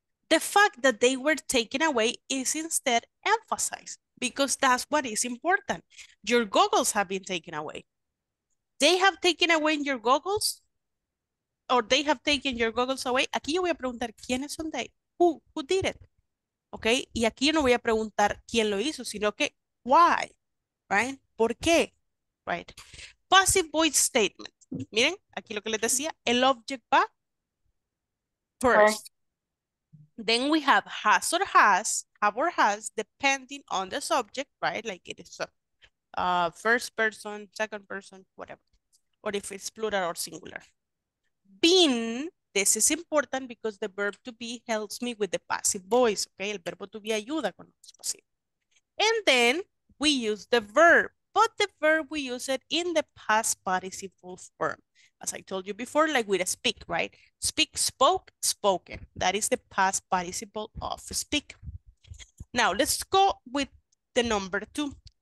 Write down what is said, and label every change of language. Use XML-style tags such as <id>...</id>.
<en>The fact that they were taken away is instead emphasized because that's what is important. Your goggles have been taken away. They have taken away your goggles, or they have taken your goggles away.</en> <es>Aquí yo voy a preguntar quiénes son they.</es> <en>Who did it?</en> <es>Okay. Y aquí yo no voy a preguntar quién lo hizo, sino que why, right? ¿Por qué? Right.</es> <en>Passive voice statement.</en> <es>Miren, aquí lo que les decía, el object va first.</es> <en>Then we have has or has, have or has, depending on the subject, right? Like it is first person, second person, whatever. Or if it's plural or singular. Been, this is important because the verb to be helps me with the passive voice, okay?</en> <es>El verbo to be ayuda con los pasivos.</es> <en>And then we use the verb, but the verb we use it in the past participle form. As I told you before, like with a speak, right? Speak, spoke, spoken. That is the past participle of speak. Now let's go with the number two.</en>